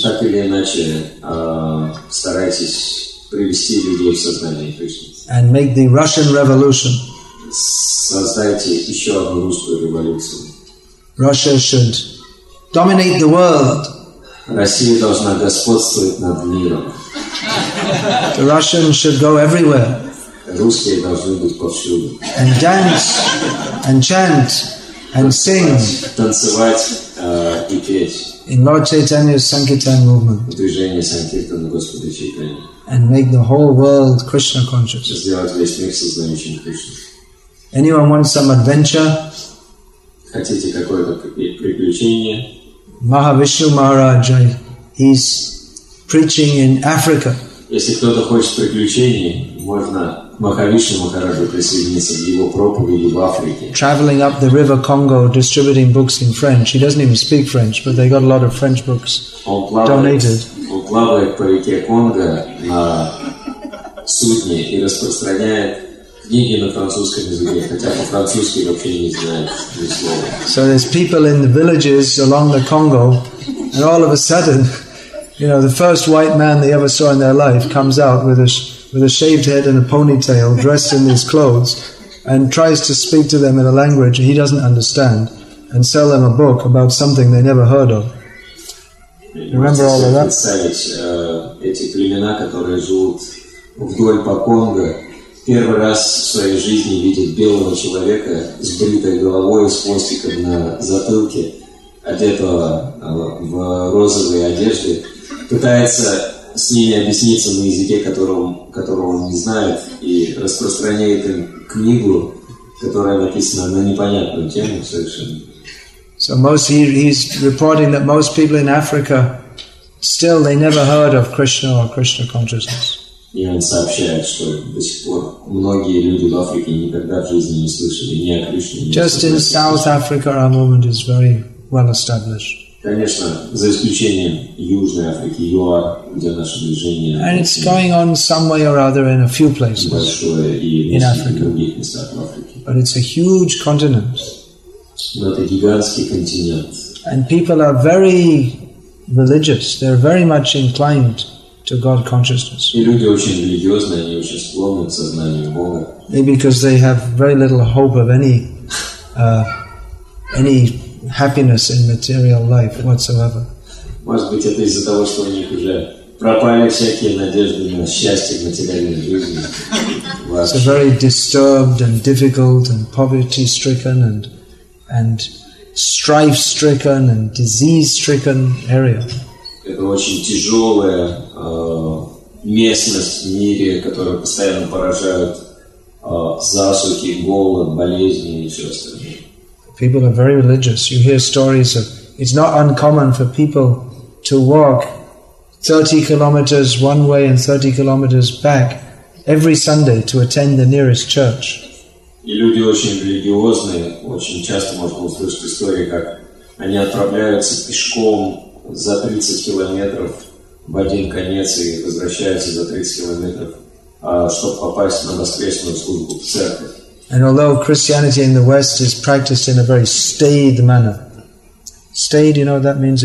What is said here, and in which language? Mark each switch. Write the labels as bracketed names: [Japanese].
[Russian] Так или иначе, старайтесь привести людей в сознание Кришны. [English] And make the Russian Revolution. [Russian] Создайте еще одну русскую революцию. [English] Russia should dominate the world. [Russian] Россия должна господствовать над миром. [English] The Russians should go everywhere. [Russian] Русские должны быть повсюду. [English] And dance, and chant, and sing. [Russian] Танцевать и петь. [English] In Lord Chaitanya's Sankirtan movement. [Russian] В движении Санкиртана Господа Чайтаньи. [English] And make the whole world Krishna conscious. [Russian] Сделать весь мир сознающим Кришну. [English] Anyone want some adventure? [Russian] Хотите какое-то приключение? [English] Mahavishnu Maharaj, he's preaching in Africa. [Russian] Если кто-то хочет приключений, можно Махавишну Махараджу присоединиться к его проповеди в Африке. [English] Traveling up the River Congo, distributing books in French. He doesn't even speak French, but they got a lot of French books donated. [Russian] Он плавает по реке Конго на судне и распространяет книги на французском языке, хотя по-французски вообще не знает ни слова. [English] So there's people in the villages along the Congo, and all of a sudden, you know, the first white man they ever saw in their life comes out with a shaved head and a ponytail, dressed in these clothes, and tries to speak to them in a language he doesn't understand, and sell them a book about something they never heard of. Remember all of that? [Russian] Эти племена, которые живут вдоль по Конго, первый раз в своей жизни видят белого человека с бритой головой, с хвостиком на затылке, одетого в розовые одежды, пытается с ними объясниться на языке, которого он не знает, и распространяет им книгу, которая написана на непонятную тему совершенно. [English] So most he's reporting that most people in Africa still they never heard of Krishna or Krishna consciousness. [Russian] И он сообщает, что до сих пор многие люди в Африке никогда в жизни не слышали ни о Кришне. [English] Just in South Africa, our movement is very well established. [Russian] Конечно, за исключением Южной Африки, ЮАР, где наше движение. [English] And it's going on some way or other in a few places. [Russian] Большое и [English] in Africa. [Russian] В других местах в Африке. [English] But it's a huge continent. [Russian] Но это гигантский континент. [English] And people are very religious. They're very much inclined to God consciousness. [Russian] И люди очень религиозные, они очень склонны к сознанию Бога. [English] Maybe because they have very little hope of any any happiness in material life whatsoever. [Russian] Может быть, это из-за того, что у них уже пропали всякие надежды на счастье в материальной жизни. [English] So very disturbed and difficult and poverty stricken and strife stricken and disease stricken area. [Russian] Это очень тяжелая местность в мире, которая постоянно поражает засухи, голод, болезни и все остальное. [English] People are very religious. You hear stories of, it's not uncommon for people to walk 30 kilometers one way and 30 kilometers back every Sunday to attend the nearest church. [Russian] И люди очень религиозные, очень часто можно услышать истории, как они отправляются пешком за 30 километров в один конец и возвращаются за 30 километров, чтобы попасть на воскресную службу в церкви. [English] And although Christianity in the West is practiced in a very staid manner, staid, you know what that means?